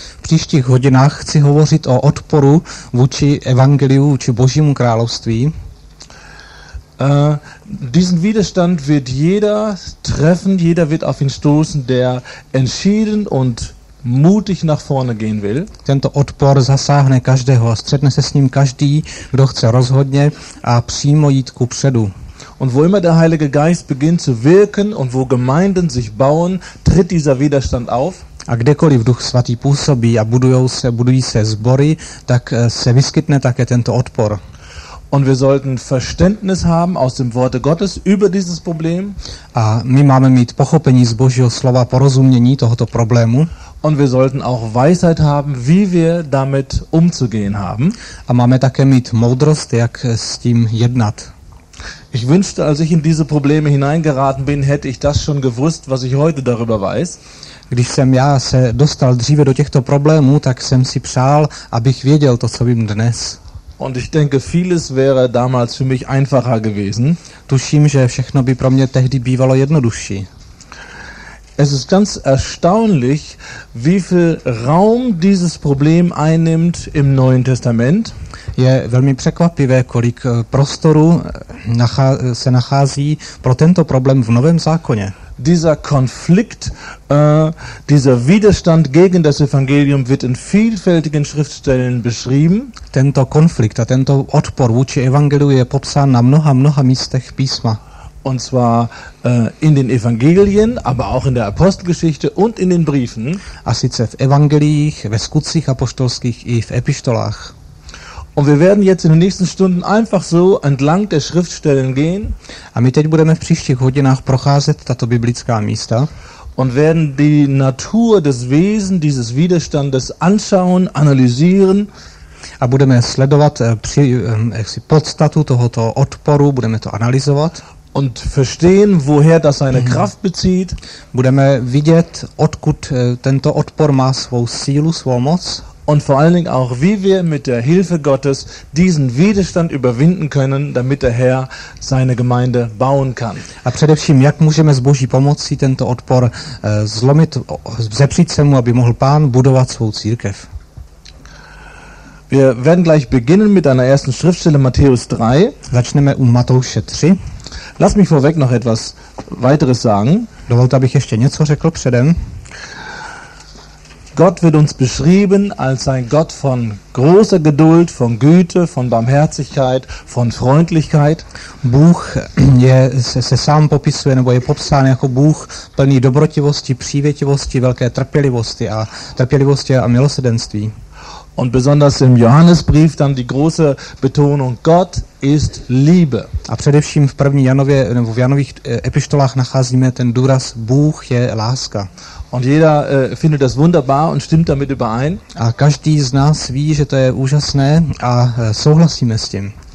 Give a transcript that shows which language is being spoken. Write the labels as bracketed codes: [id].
[cs] V příštích hodinách chci hovořit o odporu vůči evangeliu, vůči Božímu království. [de] Diesen Widerstand wird jeder treffen, jeder wird auf ihn stoßen, der entschieden und mutig nach vorne gehen will. [cs] Tento odpor zasáhne každého, střetne se s ním každý, kdo chce rozhodně a přímo jít kupředu. [de] Und wo immer der Heilige Geist beginnt zu wirken und wo Gemeinden sich bauen, tritt dieser Widerstand auf. [cs] A kdekoliv Duch Svatý působí a budují se sbory, tak se vyskytne také tento odpor. [de] Und wir sollten Verständnis haben aus dem Worte Gottes über dieses Problem. [cs] A my máme mít pochopení z Božího slova, porozumění tohoto problému. [de] Und wir sollten auch Weisheit haben, wie wir damit umzugehen haben. [cs] A máme také mít moudrost, jak s tím jednat. [de] Ich wünschte, als ich in diese Probleme hineingeraten bin, hätte ich das schon gewusst, was ich heute darüber weiß. [cs] Když jsem já se dostal dříve do těchto problémů, tak jsem si přál, abych věděl to, co vím dnes. [de] Und ich denke, vieles wäre damals für mich einfacher gewesen. [cs] Tuším, že všechno by pro mě tehdy bývalo jednodušší. [de] Es ist ganz erstaunlich, wie viel Raum dieses Problem einnimmt im Neuen Testament. [cs] Je velmi překvapivé, kolik prostoru se nachází pro tento problém v Novém zákoně. [de] Dieser Konflikt, dieser Widerstand gegen das Evangelium wird in vielfältigen Schriftstellen beschrieben. [cs] Tento konflikt a tento odpor vůči evangeliu je popsán na mnoha místech písma. [de] Und zwar in den Evangelien, aber auch in der Apostelgeschichte und in den Briefen. [cs] A sice v evangeliích, ve skutcích apoštolských i v epištolách. [de] Und wir werden jetzt in den nächsten Stunden einfach so entlang der Schriftstellen gehen. [cs] A my teď budeme v příštích hodinách procházet tato biblická místa. [de] Und werden die Natur des Wesen dieses Widerstandes anschauen, analysieren. [cs] A budeme sledovat podstatu tohoto odporu, budeme to analyzovat. [de] Und verstehen, woher das seine Kraft bezieht. [cs] Budeme vidět, odkud tento odpor má svou sílu, svou moc. [de] Und vor allen Dingen auch, wie wir mit der Hilfe Gottes diesen Widerstand überwinden können, damit der Herr seine Gemeinde bauen kann. [cs] A především, jak můžeme s Boží pomocí tento odpor zlomit, zepřít se mu, aby mohl Pán budovat svou církev. [de] Wir werden gleich beginnen mit einer ersten Schriftstelle, Matthäus 3. [cs] Začneme u Matouše 3. [de] Lass mich vorweg noch etwas weiteres sagen. [cs] Dovolte, abych ještě něco řekl předem. [de] Gott wird uns beschrieben als ein Gott von großer Geduld, von Güte, von Barmherzigkeit, von Freundlichkeit. [cs] Bůh se sám popisuje nebo je popsán jako Bůh plný dobrotivosti, přívětivosti, velké trpělivosti a milosrdenství. [de] Und besonders im Johannesbrief dann die große Betonung: Gott ist Liebe. [cs] A především v první Janově nebo v Janových epištolách nacházíme ten důraz: Bůh je láska. [de] Und jeder findet das wunderbar und stimmt damit überein. [cs] A každý z nás ví, že to je úžasné a souhlasíme s tím.